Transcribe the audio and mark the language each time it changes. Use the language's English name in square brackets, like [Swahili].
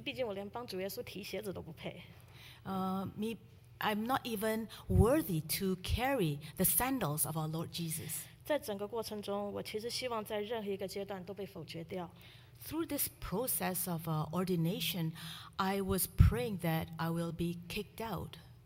[Chinese] 毕竟我连帮主耶稣提鞋子都不配。 [English] I'm not even worthy to carry the sandals of our Lord Jesus. [Chinese] 在整个过程中，我其实希望在任何一个阶段都被否决掉。 [English] Through this process of ordination, I was praying that I will be kicked out.